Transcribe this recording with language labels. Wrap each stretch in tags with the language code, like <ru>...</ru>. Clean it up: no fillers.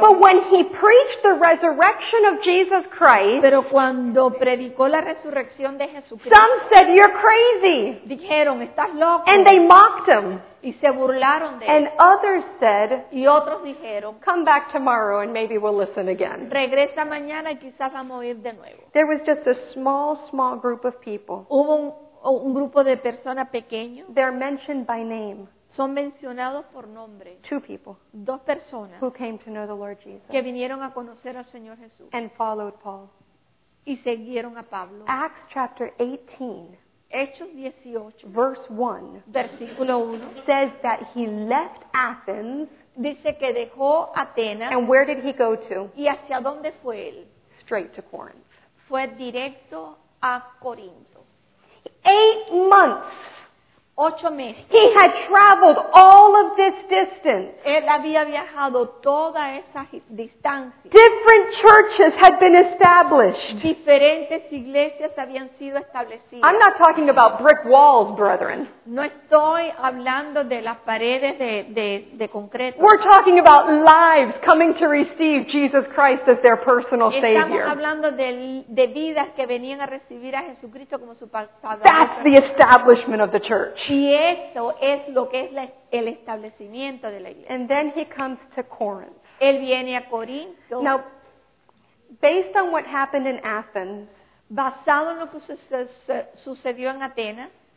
<en>But when he preached the resurrection of Jesus Christ,</en> <es>pero cuando predicó la resurrección de Jesucristo,</es> <en>some said, "You're crazy."</en> <es>Dijeron, "Estás loco."</es> <en>And they mocked him.</en> <es>Y se burlaron de él.</es> <en>And others said,</en> <es>y otros dijeron,</es> <en>"Come back tomorrow and maybe we'll listen again."</en> <es>Regresa mañana y quizás vamos a oír de nuevo.</es> <en>There was just a small group of people.</en> <es>Hubo un grupo de personas pequeño.</es> <en>They're mentioned by name.</en> <es>Son mencionados por nombre.</es> <en>Two people.</en> <es>Dos personas.</es> <en>Who came to know the Lord Jesus.</en> <es>Que vinieron a conocer al Señor Jesús.</es> <en>And followed Paul.</en> <es>Y siguieron a Pablo.</es> <en>Acts chapter 18.</en> <es>Hechos 18.</es> <en>Verse 1.</en> <es>Versículo 1.</es> <en>Says that he left Athens.</en> <es>Dice que dejó Atenas.</es> <en>And where did he go to?</en> <es>Y hacia dónde fue él.</es> <en>straight to Corinth.</en> <es>Fue directo a Corinto.</es> <en>8 months.</en> <es>8 meses.</es> <en>He had traveled all of this distance.</en> <es>Él había viajado toda esa distancia.</es> <en>Different churches had been established.</en> <es>Diferentes iglesias habían sido establecidas.</es> <en>I'm not talking about brick walls, brethren.</en> <es>No estoy hablando de las paredes de concreto.</es> <en>We're talking about lives coming to receive Jesus Christ as their personal</en> <es>Estamos</es> <en>Savior.</en> <es>Estamos hablando de vidas que venían a recibir a Jesucristo como su Salvador.</es> <en>That's the establishment of the church.</en> <es>Y eso es lo que es el establecimiento de la iglesia.</es> <en>And then he comes to Corinth.</en> <es>Él viene a Corinto.</es> <en>Now, based on what happened in Athens,</en> <es>basado en lo que sucedió en Atenas,</es>